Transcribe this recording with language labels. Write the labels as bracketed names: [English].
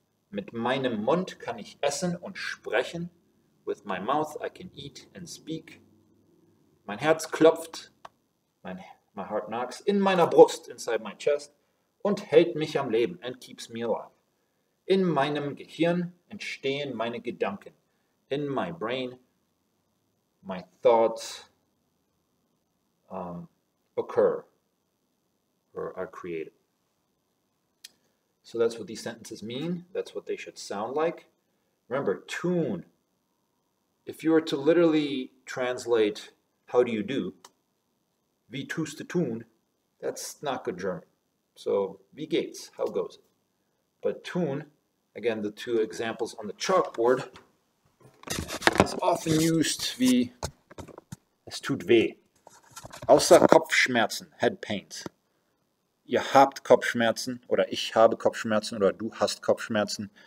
[German] Mit meinem Mund kann ich essen und sprechen. [English] With my mouth I can eat and speak. [German] Mein Herz klopft. [English] My heart knocks. [German] In meiner Brust, [English] inside my chest. [German] Und hält mich am Leben [English] and keeps me alive. [German] In meinem Gehirn entstehen meine Gedanken. [English] In my brain, my thoughts occur or are created. So that's what these sentences mean. That's what they should sound like. Remember, tune. If you were to literally translate, how do you do? [German] Wie tust du tun? [English] That's not good German. [German] So, wie geht's? [English] How goes it? But tune, again, the two examples on the chalkboard, is often used [German] wie es tut weh. Außer Kopfschmerzen, [English] head pains. [German] Ihr habt Kopfschmerzen, oder ich habe Kopfschmerzen, oder du hast Kopfschmerzen.